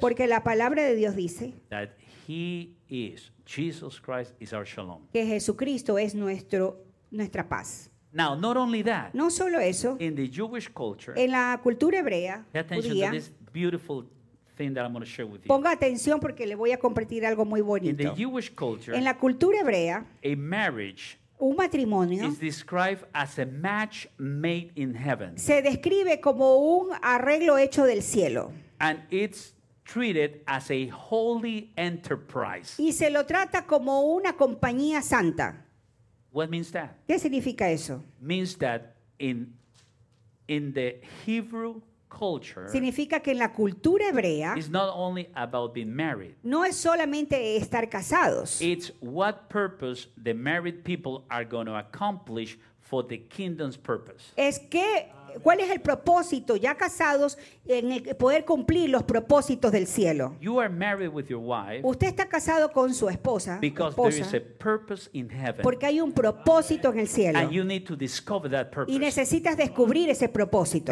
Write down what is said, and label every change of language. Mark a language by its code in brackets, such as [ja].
[es] porque la palabra de Dios dice, [en] that he is, Jesus Christ is our Shalom. [es] Que Jesucristo es nuestra paz. [en] Now, not only that, [es] no solo eso, [en] in the Jewish culture, [es] en la cultura hebrea, [en] pay attention [es] judía, [en] to this beautiful thing that I'm going to share with you. [es] Ponga atención porque le voy a compartir algo muy bonito. [en] In the Jewish culture, [es] en la cultura hebrea, [en] a marriage, [es] un matrimonio, [en] is described as a match made in heaven. [es] Se describe como un arreglo hecho del cielo. [en] And it's treated as a holy enterprise. [es] Y se lo trata como una compañía santa. [en] What means that? [es] ¿Qué significa eso? [en] Means that in the Hebrew culture, [es] significa que en la cultura hebrea [en] is not only about being married, [es] no es solamente estar casados. [en] It's what purpose the married people are going to accomplish for the kingdom's purpose. [es] Es que cuál es el propósito ya casados en el poder cumplir los propósitos del cielo. [en] You are married with your wife. [es] Usted está casado con su esposa. [en] Because [es] esposa, [en] there is a purpose in heaven. [es] Porque hay un propósito en el cielo. [en] And you need to discover that purpose. [es] Y necesitas descubrir ese propósito.